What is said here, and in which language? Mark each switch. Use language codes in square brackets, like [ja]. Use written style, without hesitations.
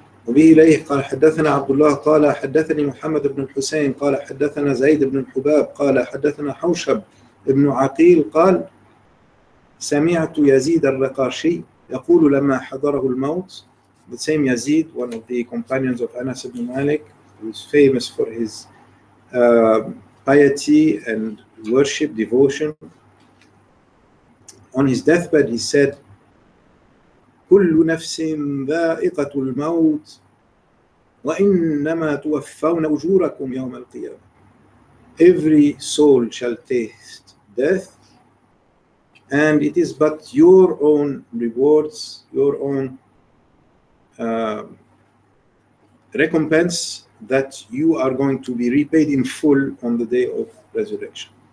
[ar] وبه إليه قال حدثنا عبد الله قال حدثني محمد بن الحسين قال حدثنا زيد بن الحباب قال حدثنا حوشب بن عقيل قال سمعت يزيد الرقاشي يقول لما حضره الموت. [en] The same Yazid, one of the companions of Anas ibn Malik, who is famous for his piety and worship, devotion. On his deathbed, he said, [ar] كل نفس ذائقة الموت وإنما توفون أجوركم يوم القيامة. [en] Every soul shall taste death, and it is but your own rewards, your own recompense that you are going to be repaid in full on the day of resurrection.